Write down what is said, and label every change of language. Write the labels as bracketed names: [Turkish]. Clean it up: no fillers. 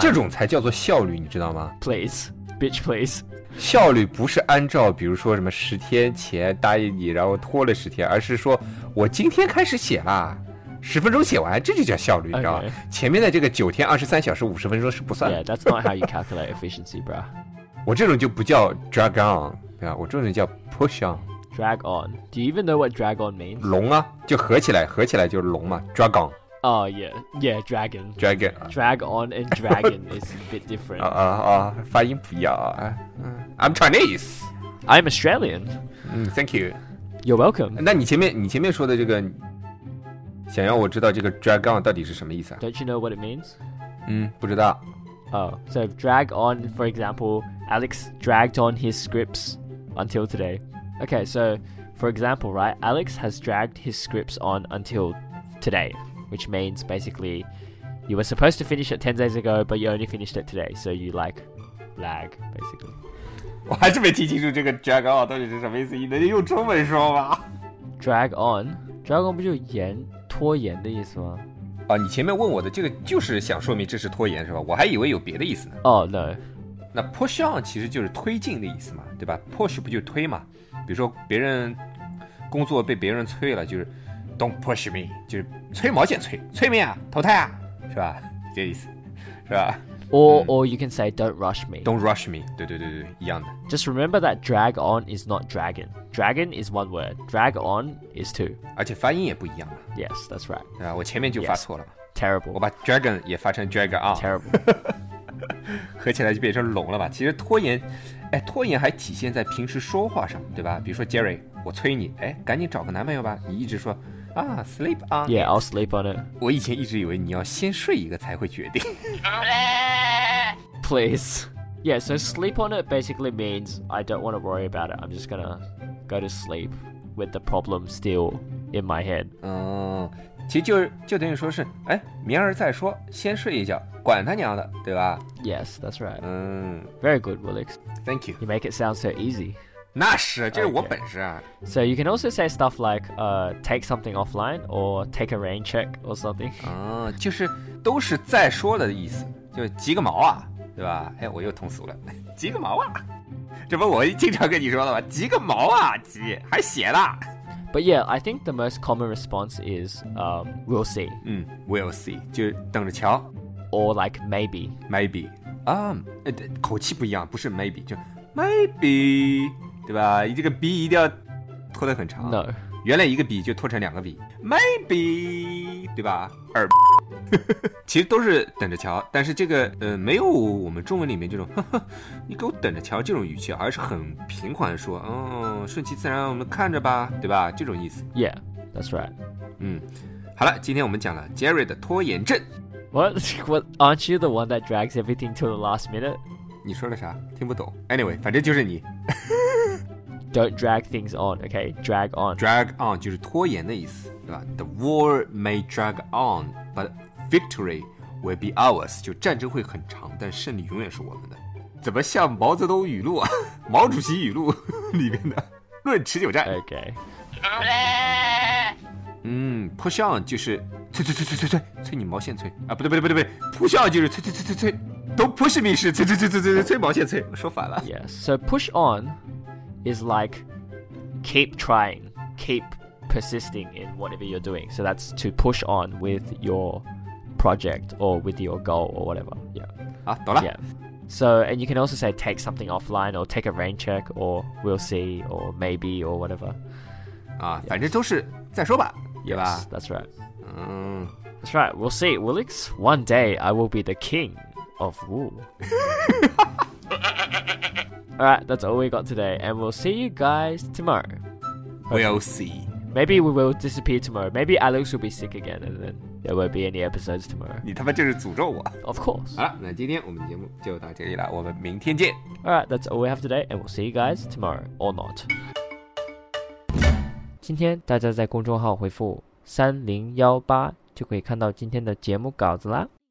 [Chinese] 这种才叫做效率，你知道吗？ [English] Please, bitch, please. [Chinese] 效率不是按照比如说什么10天前答应你然后拖了10天，而是说我今天开始写啦，10分钟写完，这就叫效率，你知道吗？ [English] Okay. [Chinese] 前面的这个9天23小时50分钟是不算的。 [English] Yeah, that's not how you calculate efficiency, bro. [Chinese] 我这种就不叫 drag on, 对吧？我这种叫 push on. [English] Drag on. Do you even know what drag on means? [Chinese] 龙啊，就合起来就是龙嘛 ，drag on. [English] Oh yeah, yeah, dragon. Dragon. Drag on and dragon is a bit different. [Chinese] 发音不一样啊。 [English] I'm Chinese. I'm Australian. Thank you. You're welcome. [Chinese] 那你前面说的这个。想要我知道这个 drag on 到底是什么意思啊？ [English] Don't you know what it means? [Chinese] 不知道。 [English] Oh, so drag on, for example, Alex dragged on his scripts until today. Okay, so for example, right, Alex has dragged his scripts on until today, which means basically you were supposed to finish it 10 days ago, but you only finished it today, so you like lag, basically. [Chinese] 我还是没听清楚这个 drag on 到底是什么意思，你能用中文说吗？ Drag on 不就延拖延的意思吗？你前面问我的这个就是想说明这是拖延是吧？我还以为有别的意思呢。 [English] No. [Chinese] 那 push on 其实就是推进的意思嘛，对吧？ Push 不就推嘛？比如说别人工作被别人催了，就是 [English] don't push me, [Chinese] 就是催毛线催，催命啊，投胎啊，是吧？这意思，是吧？ [English] Or you can say don't rush me. Don't rush me. [Chinese] 对对对对，一样的。 [English] Just remember that drag on is not dragon. Dragon is one word. Drag on is two. [Chinese] 而且发音也不一样嘛。 [English] Yes, that's right. [Chinese] 对吧？我前面就发错了嘛。 [English] Yes, terrible. [Chinese] 我把 dragon 也发成 drag on. [English] Terrible. [Chinese] 合起来就变成龙了吧？其实拖延，拖延还体现在平时说话上，对吧？比如说 Jerry, 我催你，赶紧找个男朋友吧。你一直说sleep on. [English] Yeah, I'll sleep on it. [Chinese] 我以前一直以为你要先睡一个才会决定。 [English] Please. Yeah, so sleep on it basically means I don't want to worry about it. I'm just gonna go to sleep with the problem still in my head. [Chinese] 其实就等于说是明儿再说，先睡一觉，管他娘的，对吧？ [English] Yes, that's right. Very good, Willix. Thank you. You make it sound so easy. [Chinese] 那是，这是我本事啊。 [English] So you can also say stuff like take something offline or take a rain check or something. [Chinese] 就是都是再说的意思，就急个毛啊。对吧？我又通俗了，急个毛啊！这不我经常跟你说的吗？急个毛啊！急还写了。 [English] But yeah, I think the most common response is we'll see. We'll see, [Chinese] 就等着瞧。 [English] Or like maybe. Maybe. [Chinese] 口气不一样，不是 maybe, 就 maybe, 对吧？你这个 b 一定要拖得很长。 [English] No. [Chinese] 原来一个 b 就拖成两个 b. Maybe, 对吧？其实都是等着瞧，但是这个没有我们中文里面这种你给我等着瞧这种语气，而是很平缓说顺其自然，我们看着吧，对吧？这种意思。 [English] Yeah, that's right. [Chinese] 好了，今天我们讲了 Jerry 的拖延症。 [English] What? Aren't you the one that drags everything till the last minute? [Chinese] 你说了啥？听不懂。 Anyway, 反正就是你。 [English] Don't drag things on, okay? Drag on. [Chinese] Drag on 就是拖延的意思，对吧？ [English] The war may drag on, but victory will be ours. [Chinese] 就战争会很长，但胜利永远是我们的。怎么像毛泽东语录啊？毛主席语录里面的论持久战。 [English] Okay. [Chinese] Push on 就是催催催催催催催你毛线催啊？不对不对不对不对 ，push on 就是催催催催催 [English] Don't push me, [Chinese] 是催催催催催催毛线催，说反了。 [English] Yes, so push on is like keep trying, keep persisting in whatever you're doing. So that's to push on with your project or with your goal or whatever. Yeah. [Chinese] 啊，懂了。 [English] Yeah. So, and you can also say take something offline or take a rain check or we'll see or maybe or whatever. [Chinese] 啊，反正都是再说吧，对吧？ [English] Yes, that's right. 嗯。That's right, we'll see. Willix, one day I will be the king. Of wool. Alright, that's all we got today, and we'll see you guys tomorrow. We'll see. Maybe we will disappear tomorrow. Maybe Alex will be sick again, and then there won't be any episodes tomorrow. [Chinese] 你他妈就是诅咒我。 [English] Of course. [Chinese] 好了，那今天我们的节目就到这里了，我们明天见。 [English] Alright, that's all we have today, and we'll see you guys tomorrow, or not. [Chinese] 今天大家在公众号回复3018，就可以看到今天的节目稿子啦。